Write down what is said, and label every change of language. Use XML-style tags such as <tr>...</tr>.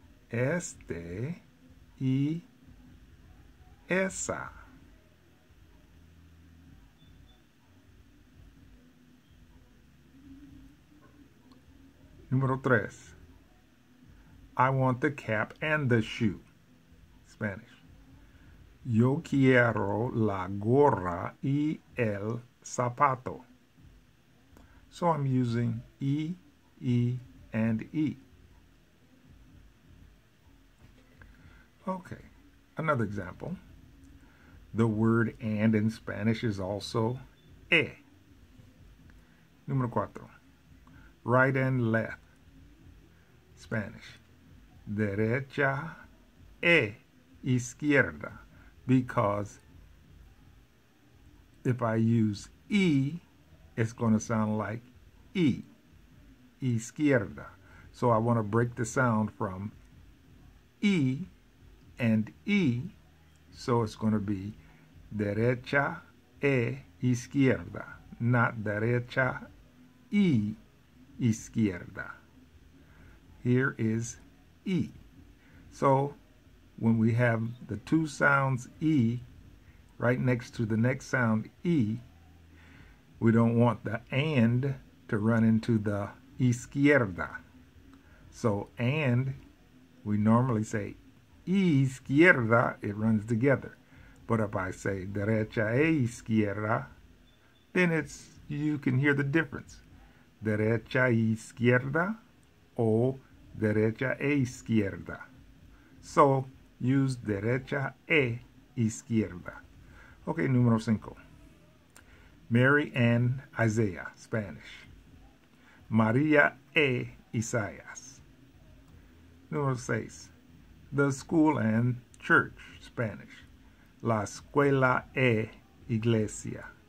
<es>Este y esa. Número tres.</es> <en>I want the cap and the shoe. Spanish.</en> <es>Yo quiero la gorra y el zapato.</es> <en>So I'm using E, E, and E. Okay, another example. The word and in Spanish is also E.</en> <es>Número cuatro.</es> <en>Right and left. Spanish.</en> <es>Derecha e izquierda.</es> <en>Because if I use E, it's going to sound like E. Izquierda. So I want to break the sound from E and E. So it's going to be</en> <es>derecha e izquierda.</es> <en>Not</en> <es>derecha e izquierda.</es> <en>Here is E. So when we have the two sounds E right next to the next sound E, we don't want the and to run into the izquierda. So and, we normally say izquierda, it runs together. But if I say</en> <es>derecha e izquierda,</es> <en>then it's, you can hear the difference.</en> <es>Derecha e izquierda o derecha e izquierda.</es> <en>So, use</en> <es>derecha e izquierda. Okay, número cinco.</es> <en>Mary and Isaiah, Spanish. María e Isaías.</en> <es>Número seis.</es> <en>The school and church, Spanish.</en> <es>La escuela e iglesia.</es>